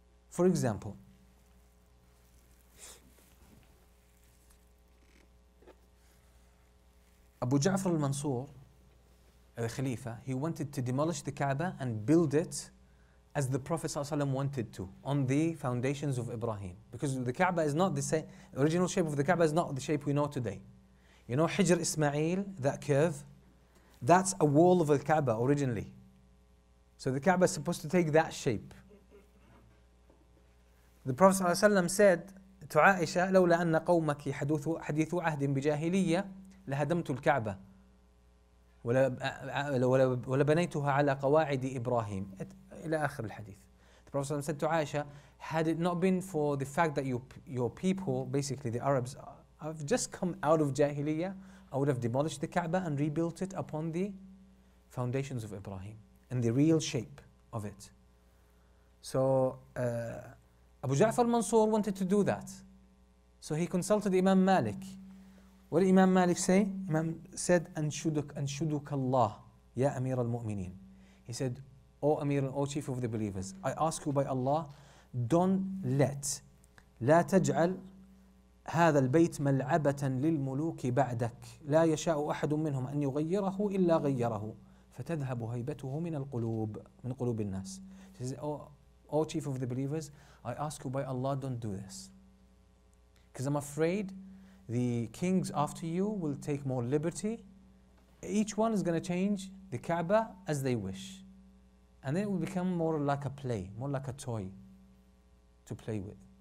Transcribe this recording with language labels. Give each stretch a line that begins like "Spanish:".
English: For example, Abu Ja'far al-Mansur, the Khalifa, he wanted to demolish the Kaaba and build it as the Prophet ﷺ wanted to, on the foundations of Ibrahim. Because the Kaaba is not the same, the original shape of the Kaaba is not the shape we know today. You know Hijr Ismail, that curve? That's a wall of the Kaaba originally. So the Kaaba is supposed to take that shape. The Prophet ﷺ said to Aisha,
Arabic: لولا أن قومك حديث عهد بجاهلية لهدمت الكعبة ولبنيتها على قواعد إبراهيم. إلى آخر الحديث.
English: The Prophet ﷺ said to Aisha, had it not been for the fact that your people, basically the Arabs, have just come out of Jahiliyyah, I would have demolished the Kaaba and rebuilt it upon the foundations of Ibrahim and the real shape of it. So Abu Ja'far al-Mansur wanted to do that. So he consulted Imam Malik. What did Imam Malik say? Imam said,
Arabic: Anshuduk Allah, Ya Amir al-Mu'mineen.
English: He said, O Amir, O Chief of the Believers, I ask you by Allah,
Arabic: لا تجعل هذا البيت ملعبة للملوك بعدك لا يشاء أحد منهم أن يغيره إلا غيره فتذهب هيبته من قلوب الناس.
English: He says, O Chief of the Believers, I ask you by Allah, don't do this. Because I'm afraid the kings after you will take more liberty. Each one is going to change the Kaaba as they wish. And then it will become more like a play, more like a toy to play with.